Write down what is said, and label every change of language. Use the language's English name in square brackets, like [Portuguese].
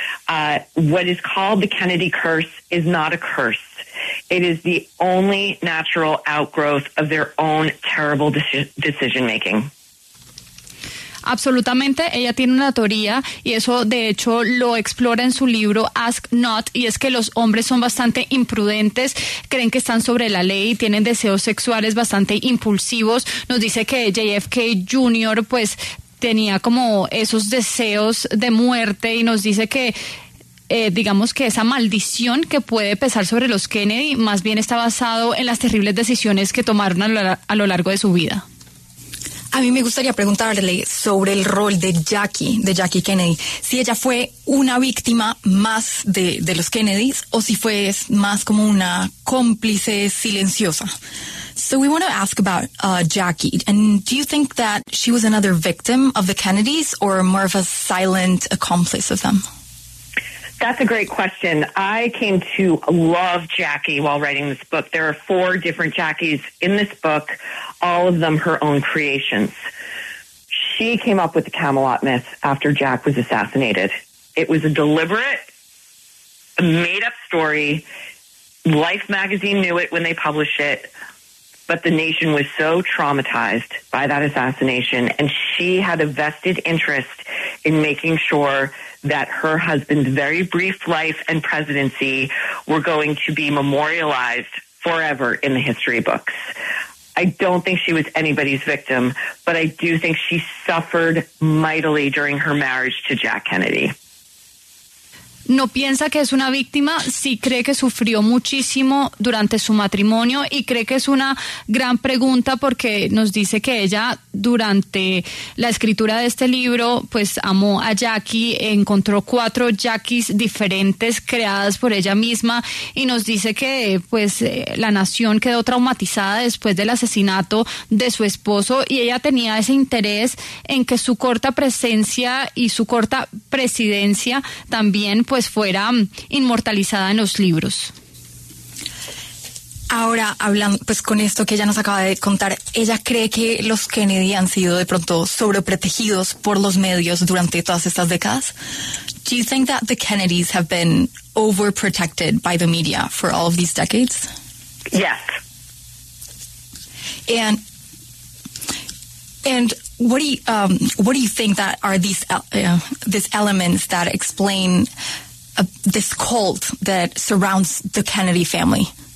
[English] What is called the Kennedy curse is not a curse. It is the only natural outgrowth of their own terrible decision making. [Spanish] Absolutamente, ella tiene una teoría y eso de hecho lo explora en su libro Ask Not, y es que los hombres son bastante imprudentes, creen que están sobre la ley, tienen deseos sexuales bastante impulsivos. Nos dice que JFK Jr. pues tenía como esos deseos de muerte y nos dice que digamos que esa maldición que puede pesar sobre los Kennedy más bien está basado en las terribles decisiones que tomaron a lo largo de su vida. A mí me gustaría preguntarle sobre el rol de Jackie Kennedy, si ella fue una víctima más de los Kennedys o si fue más como una cómplice silenciosa. [English] So we want to ask about Jackie, and do you think that she was another victim of the Kennedys or more of a silent accomplice of them? That's a great question. I came to love Jackie while writing this book. There are four different Jackies in this book, all of them her own creations. She came up with the Camelot myth after Jack was assassinated. It was a deliberate, made-up story. Life magazine knew it when they published it, but the nation was so traumatized by that assassination, and she had a vested interest in making sure that her husband's very brief life and presidency were going to be memorialized forever in the history books. I don't think she was anybody's victim, but I do think she suffered mightily during her marriage to Jack Kennedy. [Spanish] No piensa que es una víctima, sí cree que sufrió muchísimo durante su matrimonio y cree que es una gran pregunta porque nos dice que ella durante la escritura de este libro pues amó a Jackie, encontró cuatro Jackies diferentes creadas por ella misma y nos dice que pues la nación quedó traumatizada después del asesinato de su esposo y ella tenía ese interés en que su corta presencia y su corta presidencia también pues fuera inmortalizada en los libros. Ahora, hablando pues con esto que ella nos acaba de contar, ¿ella cree que los Kennedy han sido de pronto sobreprotegidos por los medios durante todas estas décadas? [English] Do you think that the Kennedys have been overprotected by the media for all of these decades? Yes. And what do you think that are these elements that explain this cult that surrounds the Kennedy family?